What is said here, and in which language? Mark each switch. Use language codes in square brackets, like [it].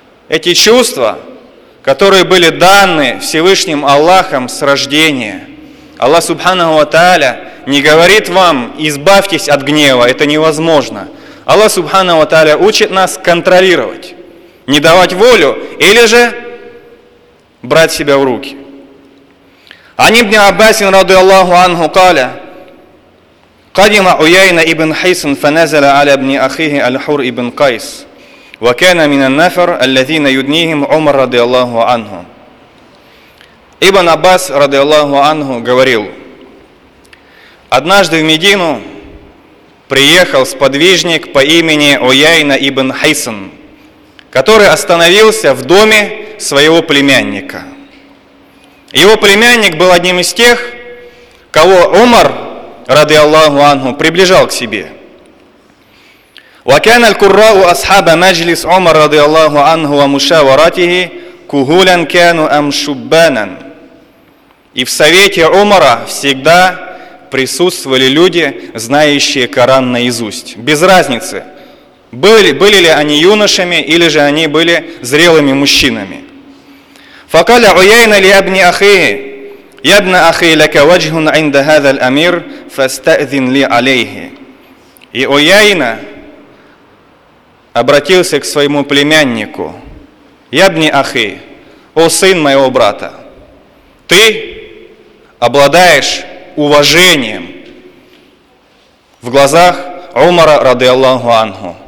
[ru] Эти чувства, которые были даны Всевышним Аллахом с рождения. Аллах Субханаху ва Тааля не говорит вам: избавьтесь от гнева, это невозможно. Аллах Субханаху ва Тааля учит нас контролировать, не давать волю или же брать себя в руки. [ar] Ан ибн Аббасин ради Аллаху анху каля: قدم عيينة ابن حيص فنزل على ابن أخيه الحر ابن قيس وَكَانَ مِنَ النَّفَرُ الَّذِينَ يُدْنِيهِمْ عُمَرْ رضي الله عنه. [ru] Ибн Аббас, ради Аллаху Ангу, говорил, «Однажды в Медину приехал сподвижник по имени Уяйна ибн Хайсан, который остановился в доме своего племянника. Его племянник был одним из тех, кого Умар, ради Аллаху Ангу, приближал к себе». [ar] وكان القراء أصحاب مجلس عمر رضي الله عنه ومشاورته كهولا كانوا أم شبانا. [ru] И в совете Умара всегда присутствовали люди, знающие Коран наизусть. Без разницы, были ли они юношами или же они были зрелыми мужчинами. [ar] فقال عيينة لابن أخيه يا ابن أخي لك وجه عند هذا الأمير فاستأذن لي عليه. [ru] И عيينة обратился к своему племяннику. [ar] Ябни Ахи, [ru] о сын моего брата, ты обладаешь уважением в глазах Умара ради Аллаху Ангу.